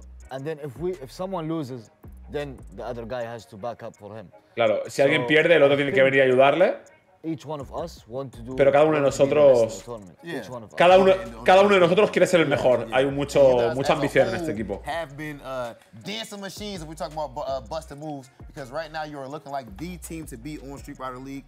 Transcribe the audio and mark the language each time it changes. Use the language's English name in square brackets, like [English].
[English] And then if someone loses, then the other guy has to back up for him. [Spanish] Claro, si alguien pierde, el otro tiene que venir a ayudarle. [English] Each one of us want to do. [Spanish] Pero cada uno de nosotros, cada uno de nosotros quiere ser el mejor. [English] Yeah, yeah. [Spanish] Hay mucho, mucha ambición en este equipo. [English] Have been dancing machines if we're talking about busting moves because right now you are looking like the team to beat on Street Fighter League.